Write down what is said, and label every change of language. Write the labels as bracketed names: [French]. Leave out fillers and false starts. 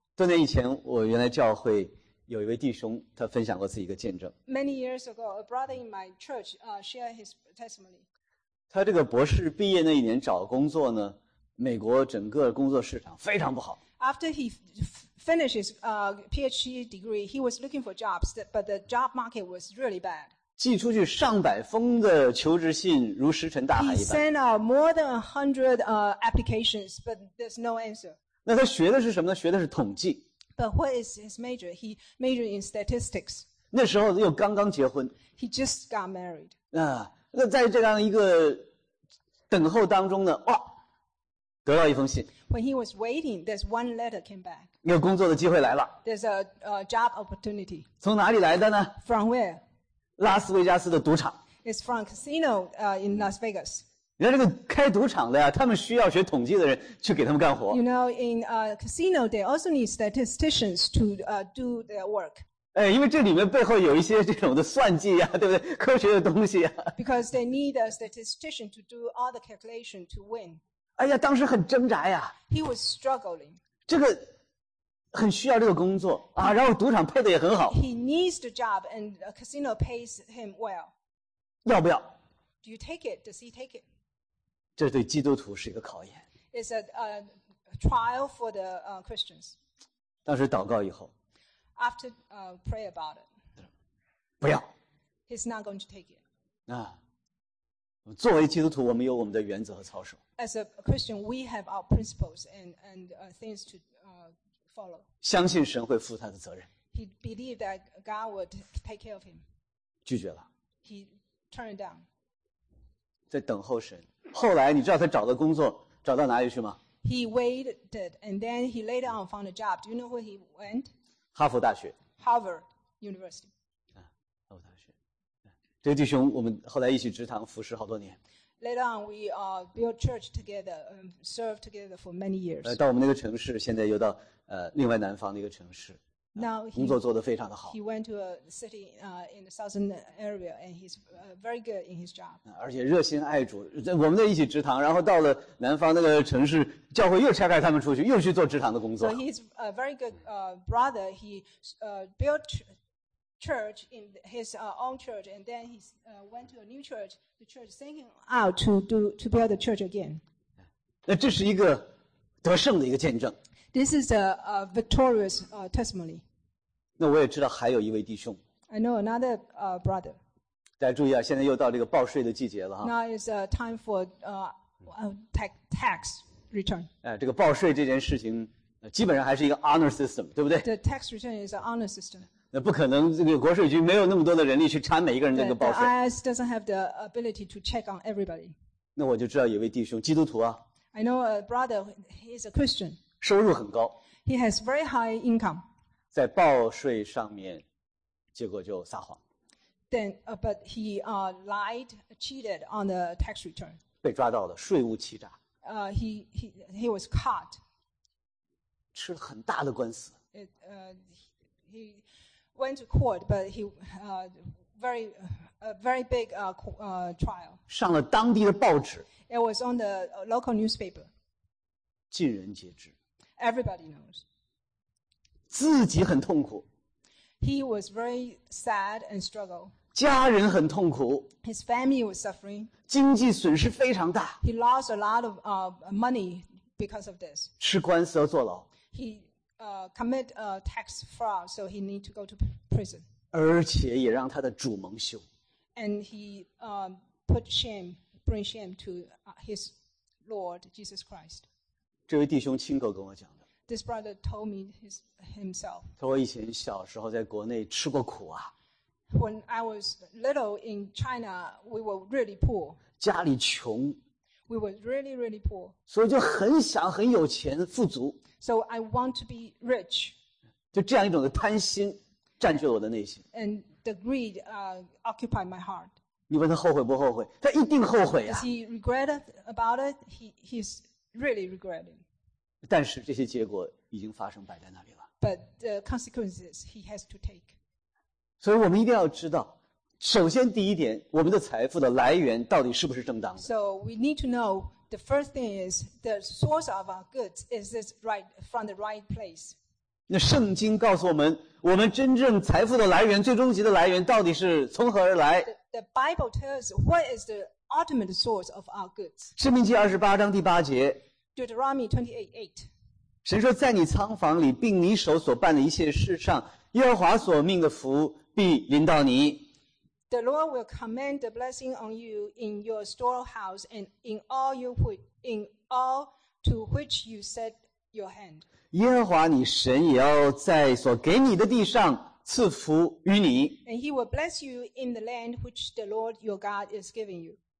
[Chinese] 多年以前，我原来教会有一位弟兄，他分享过自己的见证。 [English] Many years ago, a brother in my church shared his testimony. [Chinese] 他这个博士毕业那一年找工作呢，美国整个工作市场非常不好。 [English] After he finished his PhD degree, he was looking for jobs, but the job market was really bad. [Chinese] 寄出去上百封的求职信如石沉大海一般。 [English] He sent out more than 100 applications, but there's no answer. [Chinese] 那他学的是什么呢？学的是统计。 [English] But what is his major? He majored in statistics. [Chinese] 那时候又刚刚结婚。 [English] He just got married. [Chinese] 那在这样一个等候当中呢，哇，得到一封信。 [English] When he was waiting, there's one letter came back. [Chinese] 有工作的机会来了。 [English] There's a job opportunity. [Chinese] 从哪里来的呢？ [English] From where? [Chinese] 拉斯维加斯的赌场。 [English] It's from casino in Las Vegas. [Chinese] 你看这个开赌场的呀，他们需要学统计的人去给他们干活。 [English] You know, in a casino, they also need statisticians to do their work. [Chinese] 哎，因为这里面背后有一些这种的算计呀，对不对？科学的东西呀。 [English] Because they need a statistician to do all the calculation to win. [Chinese] 哎呀，当时很挣扎呀。 [English] He was struggling. [Chinese] 这个很需要这个工作啊，然后赌场配的也很好。 [English] He needs the job and a casino pays him well. [Chinese] 要不要？ [English] Do you take it? Does he take it? [Chinese] 这对基督徒是一个考验。 [English] It's a trial for the Christians. [Chinese] 当时祷告以后。 [English] After pray about it. [Chinese] 不要。 [English] He's not going to take it. 啊。 [Chinese] 作为基督徒，我们有我们的原则和操守。 [English] As a Christian, we have our principles and things to follow. [Chinese] 相信神会负他的责任。 [English] He believed that God would take care of him. [Chinese] 拒绝了。 [English] He turned down. [Chinese] 在等候神。后来你知道他找的工作找到哪里去吗？ [English] He waited and then he later on found a job. Do you know where he went? [Chinese] 哈佛大学。 [English] Harvard University. [Chinese] 啊，哈佛大学。这个弟兄，我们后来一起职堂服侍好多年。 [English] Later on, we built church together, served together for many years. [Chinese] 到我们那个城市，现在又到另外南方的一个城市。 [English] Now [Chinese] 工作做得非常的好。 [English] He went to a city in the southern area, and he's very good in his job. [Chinese] 而且热心爱主，我们在一起职堂，然后到了南方那个城市，教会又拆开他们出去，又去做职堂的工作。 [English] So he's a very good brother. He built church in his own church, and then he went to a new church. The church sent him out to build the church again. [Chinese] 那这是一个得胜的一个见证。 [English] This is a victorious testimony. [Chinese] 那我也知道还有一位弟兄。 [English] I know another brother. [Chinese] 大家注意啊，现在又到这个报税的季节了哈。 [English] Now is a time for tax return. [Chinese] 哎，这个报税这件事情，基本上还是一个 honor system， 对不对 [English] ？The tax return is an honor system. [Chinese] 那不可能，这个国税局没有那么多的人力去查每一个人的那个报税。 [English] The IRS doesn't have the ability to check on everybody. [Chinese] 那我就知道有位弟兄，基督徒啊。 [English] I know a brother, he's a Christian. [Chinese] 收入很高。 [English] He has very high income. [Chinese] 在报税上面，结果就撒谎。 [English] Then, but he lied, cheated on the tax return. [Chinese] 被抓到了，税务欺诈。 [English] He was caught. [Chinese] 吃了很大的官司。 [English] He went to court, but he very big trial. [Chinese] 上了当地的报纸。 [English] It was on the local newspaper. [Chinese] 尽人皆知。 [English] Everybody knows. [Chinese] 自己很痛苦。 [English] He was very sad and struggle. [Chinese] 家人很痛苦。 [English] His family was suffering. [Chinese] 经济损失非常大。 [English] He lost a lot of money because of this. [Chinese] 吃官司而坐牢。 [English] He commit a tax fraud, so he need to go to prison. [Chinese] 而且也让他的主蒙羞。 [English] And he put shame, bring shame to his Lord Jesus Christ. [Chinese] 这位弟兄亲口跟我讲的。 [English] This brother told me his, himself. [Chinese] 他说以前小时候在国内吃过苦啊。 [English] When I was little in China, we were really poor. [Chinese] 家里穷。 [English] We were really, really poor. [Chinese] 所以就很想很有钱富足。 [English] So I want to be rich. [Chinese] 就这样一种的贪心占据了我的内心。 [English] And the greed occupied my heart. [Chinese] 你问他后悔不后悔？他一定后悔啊。 [English] Does he regret about it? He's really regretting. [Chinese] 但是这些结果已经发生摆在那里了。 [English] But the consequences he has to take. [Chinese] 所以我们一定要知道，首先第一点，我们的财富的来源到底是不是正当的。 [English] So we need to know the first thing is the source of our goods is this right from the right place. [Chinese] 那圣经告诉我们，我们真正财富的来源，最终极的来源到底是从何而来 [English] ？The Bible tells what is the ultimate source of our goods. [Chinese] 申命记二十八章第八节。 [English] Deuteronomy 28:8. [Chinese] 神说，在你仓房里，并你手所办的一切事上，耶和华所命的福必临到你。 [English] The Lord will command the blessing on you in your storehouse and in all you put in all to which you set your hand. [Chinese] 耶和华你神也要在所给你的地上赐福于你。 [English] And He will bless you in the land which the Lord your God is giving you.